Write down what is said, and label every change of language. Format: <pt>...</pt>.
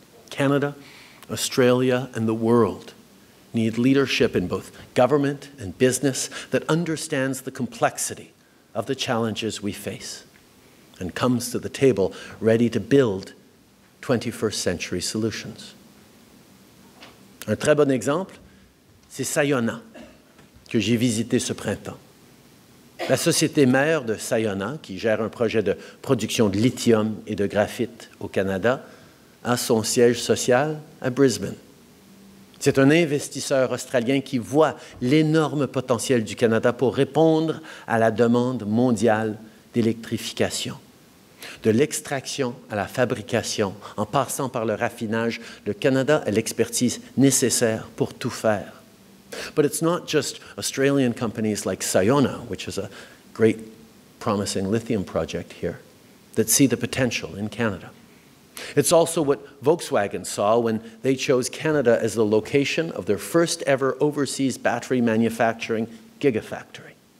<en>Canada, Australia, and the world need leadership in both government and business that understands the complexity of the challenges we face and comes to the table ready to build 21st century solutions.</en> <fr>Un très bon exemple, c'est Sayona, que j'ai visité ce printemps. La société mère de Sayona, qui gère un projet de production de lithium et de graphite au Canada, a son siège social à Brisbane. C'est un investisseur australien qui voit l'énorme potentiel du Canada pour répondre à la demande mondiale d'électrification. De l'extraction à la fabrication, en passant par le raffinage, le Canada a l'expertise nécessaire pour tout faire.</fr> <en>But it's not just Australian companies like Sayona, which is a great promising lithium project here, that see the potential in Canada. It's also what Volkswagen saw when they chose Canada as the location of their first ever overseas battery manufacturing gigafactory.</en>